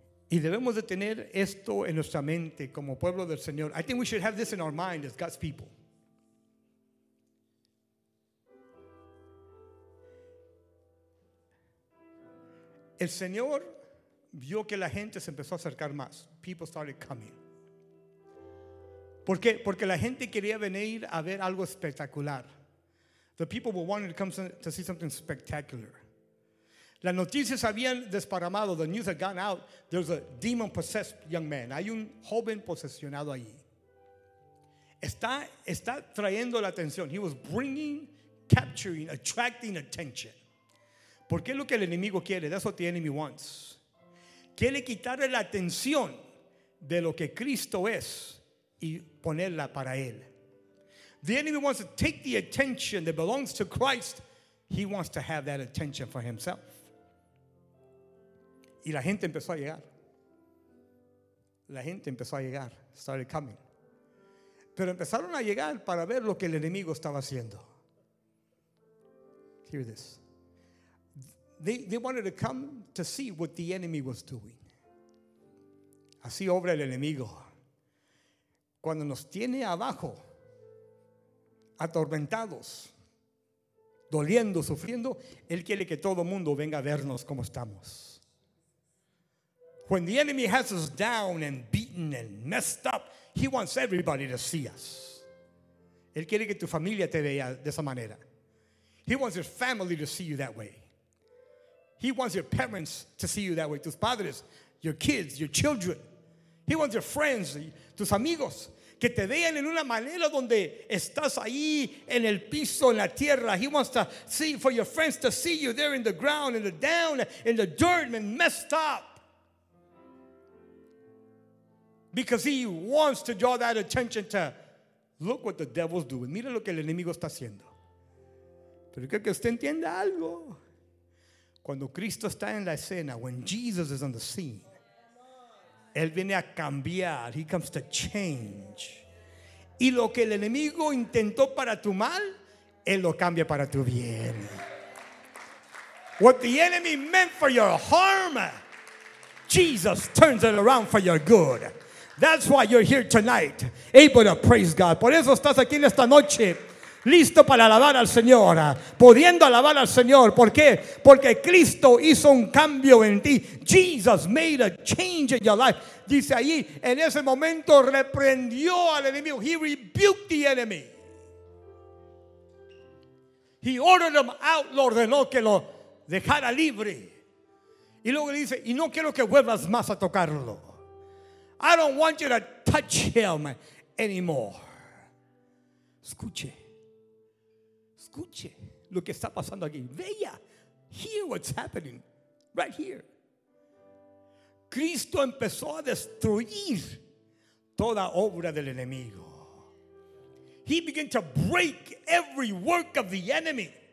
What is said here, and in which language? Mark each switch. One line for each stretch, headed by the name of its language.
Spanish: Y debemos de tener esto en nuestra mente como pueblo del Señor.
English: I think we should have this in our mind as God's people.
Spanish: El Señor vio que la gente se empezó a acercar más.
English: People started coming.
Spanish: ¿Por qué? Porque la gente quería venir a ver algo espectacular.
English: The people were wanting to come to see something spectacular.
Spanish: Las noticias habían desparramado.
English: The news had gone out. There's a demon-possessed young man.
Spanish: Hay un joven posesionado allí. Está trayendo la atención.
English: He was bringing, capturing, attracting attention.
Spanish: ¿Por qué es lo que el enemigo quiere?
English: That's what the enemy wants.
Spanish: Quiere quitarle la atención de lo que Cristo es y ponerla para él.
English: The enemy wants to take the attention that belongs to Christ. He wants to have that attention for himself.
Spanish: Y la gente empezó a llegar. La gente empezó a llegar.
English: Started coming.
Spanish: Pero empezaron a llegar para ver lo que el enemigo estaba haciendo.
English: Hear this. They wanted to come to see what the enemy was doing.
Spanish: Así obra el enemigo. Cuando nos tiene abajo, atormentados, doliendo, sufriendo, él quiere que todo mundo venga a vernos como estamos.
English: When the enemy has us down and beaten and messed up, he wants everybody to see us.
Spanish: Él quiere que tu familia te vea de esa manera.
English: He wants your family to see you that way. He wants your parents to see you that way.
Spanish: Tus padres,
English: your kids, your children. He wants your friends,
Spanish: tus amigos, que te vean en una manera donde estás ahí en el piso, en la tierra.
English: He wants to see, for your friends to see you there in the ground, in the down, in the dirt, and messed up. Because he wants to draw that attention to, look what the devil's doing.
Spanish: Mira lo que el enemigo está haciendo. Pero quiero que usted entienda algo. Cuando Cristo está en la escena,
English: when Jesus is on the scene,
Spanish: él viene a cambiar.
English: He comes to change.
Spanish: Y lo que el enemigo intentó para tu mal, él lo cambia para tu bien.
English: What the enemy meant for your harm, Jesus turns it around for your good. That's why you're here tonight, able to praise God.
Spanish: Por eso estás aquí en esta noche, listo para alabar al Señor, pudiendo alabar al Señor. ¿Por qué? Porque Cristo hizo un cambio en ti.
English: Jesus made a change in your life.
Spanish: Dice ahí, en ese momento reprendió al enemigo.
English: He rebuked the enemy. He ordered him out,
Spanish: lo ordenó que lo dejara libre. Y luego le dice, y no quiero que vuelvas más a tocarlo.
English: I don't want you to touch him anymore.
Spanish: Escuche. Escuche lo que está pasando aquí. Vea.
English: Hear what's happening. Right here.
Spanish: Cristo empezó a destruir toda obra del enemigo.
English: He began to break every work of the enemy.